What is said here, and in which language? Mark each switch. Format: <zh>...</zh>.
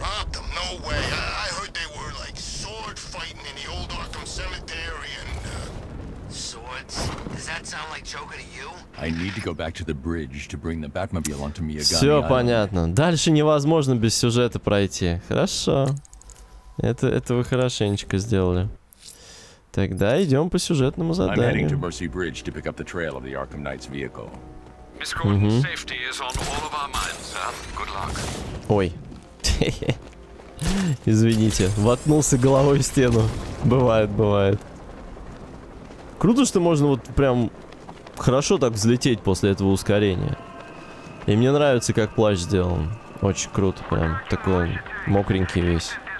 <ru>Все понятно. Дальше невозможно без сюжета пройти. Хорошо. Это вы хорошенечко сделали. Тогда идем по сюжетному заданию.</ru> <en>I'm heading to Mercy Bridge to pick up the trail of the Arkham Knight's vehicle. Miss Gordon, safety is on all of our minds, sir. Good luck.</en> <ru>Ой. Извините, воткнулся головой в стену. Бывает, бывает. Круто, что можно вот прям хорошо так взлететь после этого ускорения. И мне нравится, как плащ сделан. Очень круто, прям такой он мокренький весь.</ru>